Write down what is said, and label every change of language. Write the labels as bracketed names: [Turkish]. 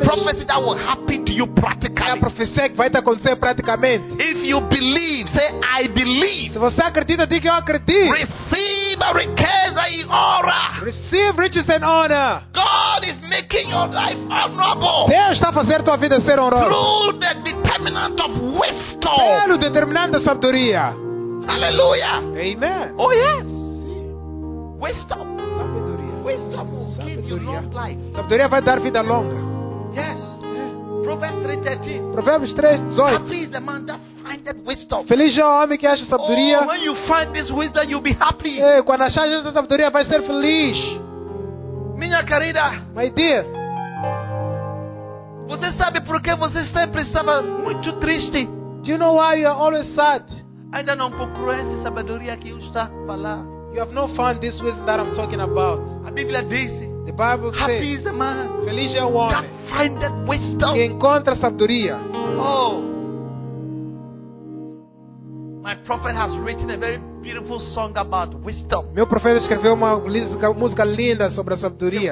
[English] the prophecy that will happen to you practically. [Portuguese] É a profecia que vai te acontecer praticamente. [English] If you believe, say I believe. [Portuguese] Se você acredita, diga eu acredito. [English] Receive [Portuguese] a riqueza e honra. [English] Receive riches and honor. God is making your life honorable. [Portuguese] Deus está fazendo tua vida ser honrosa. [English] Through the determinant of wisdom. [Portuguese] Pelo determinante da sabedoria. Aleluia. [English] Amen. Oh yes. Wisdom. [Portuguese] Sabedoria. [English] Wisdom will [Portuguese] sabedoria. [English] Give you long life. [Portuguese] Sabedoria vai dar vida longa. [English] Yes. Proverbs 3:13. [Portuguese] Provérbios 3:18. [English] Happy is the man that findeth wisdom. [Portuguese] Feliz é o homem que acha sabedoria. [English] Oh, when you find this wisdom, you'll be happy. [Portuguese] Ei, quando achar essa sabedoria, vai ser feliz. Minha querida. [English] My dear. [Portuguese] Você sabe por que você sempre estava muito triste? [English] Do you know why you are always sad? [Portuguese] Ainda não concluiu essa sabedoria que eu estou a falar. [English] You have not found this wisdom that I'm talking about. [Portuguese] A Bíblia diz. [English] The Bible says. Happy is the man. [Portuguese] Feliz é o homem. [English] That findeth wisdom. [Portuguese] Que encontra sabedoria. Oh. [English] My prophet has written a very beautiful song about wisdom. [Portuguese] Meu profeta escreveu uma música linda sobre a sabedoria.